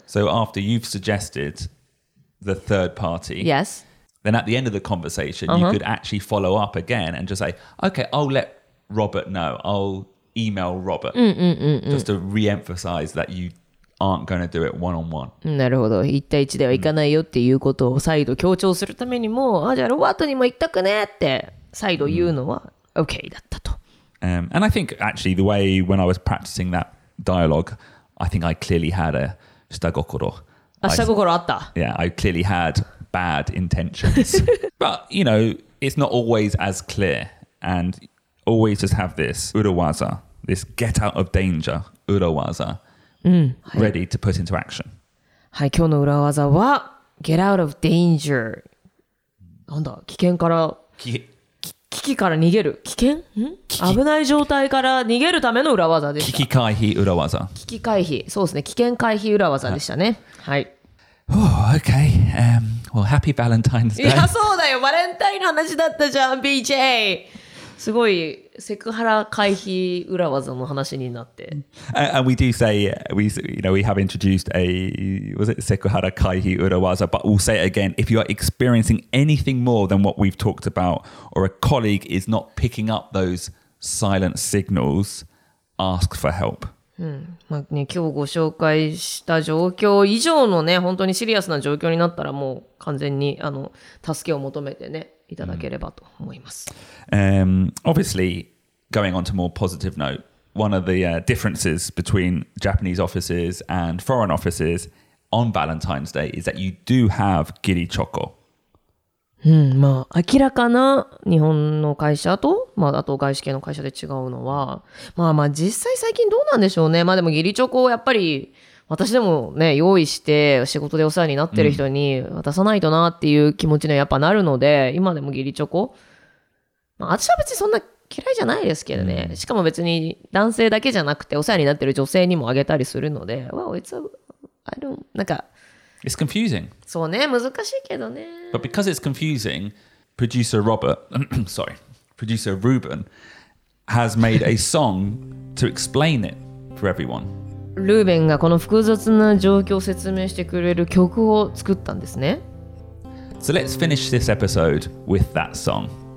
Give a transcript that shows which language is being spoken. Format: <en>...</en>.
<en>So after you've suggested the third party. Yes. Then at the end of the conversation, mm-hmm. you could actually follow up again and just say, okay, I'll let Robert know. I'll email Robert, just to re-emphasize that you aren't going to do it one-on-one.</en> <ja>なるほど。 1対1では行かないよっていうことを再度強調するためにも、あ、じゃあロバートにも行ったくねって再度言うのは OK だったと。</ja> <en>And I think actually the way when I was practicing that dialogue, I think I clearly had a 下心。</en> <ja>あ、下心あった。</ja> <en>Yeah, I clearly had bad intentions. But, you know, it's not always as clear and... Always just have this urawaza, this get out of danger urawaza,、ready to put into action.</en> <ja>はい、今日の urawaza は</ja> <en>get out of danger.</en> <ja>なんだ、危険から危機から逃げる、危険？ん？危ない状態から逃げるための urawaza でした。危機回避 urawaza. 危機回避、そうですね、危険回避 urawaza でしたね。はい。</ja> <en>Oh, okay. Well, happy Valentine's Day.</en> <ja>いや、そうだよ、バレンタインの話だったじゃん、BJ。すごいセクハラ回避裏技の話になって。</ja> <en>And we do say, we, you know, we have introduced a, was it セクハラ回避裏技? But we'll say it again, if you are experiencing anything more than what we've talked about, or a colleague is not picking up those silent signals, ask for help.</en> <ja>まあね、今日ご紹介した状況以上のね、本当にシリアスな状況になったら、もう完全にあの助けを求めてね、いただければと思います。</ja> <en>Obviously, going on to more positive note, one of the differences between Japanese offices and foreign offices on Valentine's Day is that you do have giri choco.</en> <ja>まあ、明らかな日本の会社と、まあ、あと外資系の会社で違うのは、まあまあ実際最近どうなんでしょうね。まあでも義理チョコをやっぱり私でもね、用意して仕事でお世話になってる人に渡さないとなっていう気持ちにはやっぱなるので、うん、今でも義理チョコ、まあ、私は別にそんな嫌いじゃないですけどね、うん、しかも別に男性だけじゃなくてお世話になってる女性にもあげたりするので、うん、</ja> <en>Well, it's a, I don't,</en> <ja>なんか</ja> <en>It's confusing.</en> <ja>そうね、難しいけどね。</ja> <en>But because it's confusing, producer Robert, sorry, producer Ruben has made a song to explain it for everyone.</en> <ja>ルーベンがこの複雑な状況を説明してくれる曲を作ったんですね。</ja> <en>So let's finish this episode with that song.</en>